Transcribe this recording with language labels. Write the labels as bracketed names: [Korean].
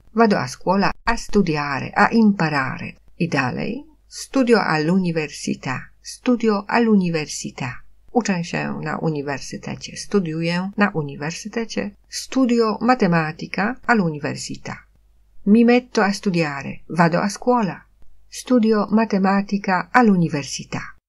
[Italian] Vado a scuola a studiare, a imparare. [Polish] I dalej. [Italian] Studio all'università. Studio all'università. [Polish] Uczę się na uniwersytecie. Studiuję na uniwersytecie. [Italian] Studio matematica all'università. Mi metto a studiare. Vado a scuola. Studio matematica all'università.